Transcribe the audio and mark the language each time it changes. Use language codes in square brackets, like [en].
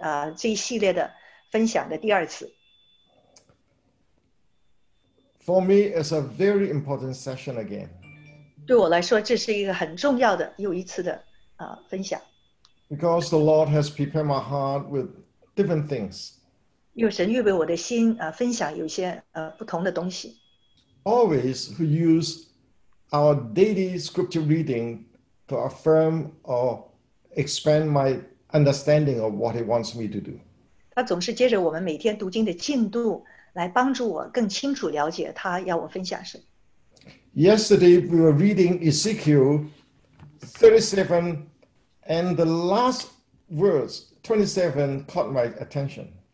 [zh] 所以上周没有来的话，这个是这一系列的分享的第二次。 [en] For me, it's a very important session again. [zh] 对我来说，这是一个很重要的又一次的分享。 [en] Because the Lord has prepared my heart with different things. [zh] 因为神预备我的心分享有些不同的东西。 [en] Always we use our daily scripture reading to affirm or expand my understanding of what He wants me to do. [zh] 他总是接着我们每天读经的进度。 [en] Yesterday, we were reading Ezekiel 37, and the last words, 27, caught my attention.